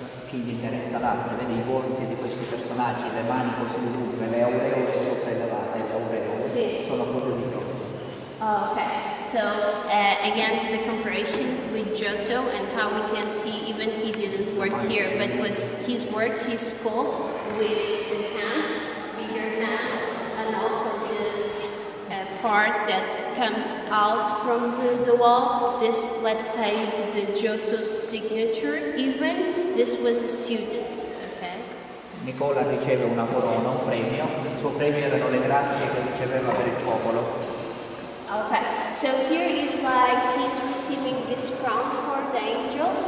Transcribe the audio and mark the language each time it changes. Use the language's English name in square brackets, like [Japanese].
[Italian] chi gli interessa l'altro, vedi i volti di questi personaggi, le mani così lunghe, le aureole sopraelevate, le aureole, sì, sono proprio di Giotto. [English] Oh, ok. So, against the comparison with Giotto and how we can see even he didn't work here, but was his work, his school, with the hands, bigger hands, and also this part that comes out from the wall, this, let's say, is the Giotto signature, even this was a student, okay? [Italian] Nicola riceve una corona, un premio, il suo premio erano le grazie che riceveva per il popolo. [English] Okay, so here is like he's receiving this crown for the angel.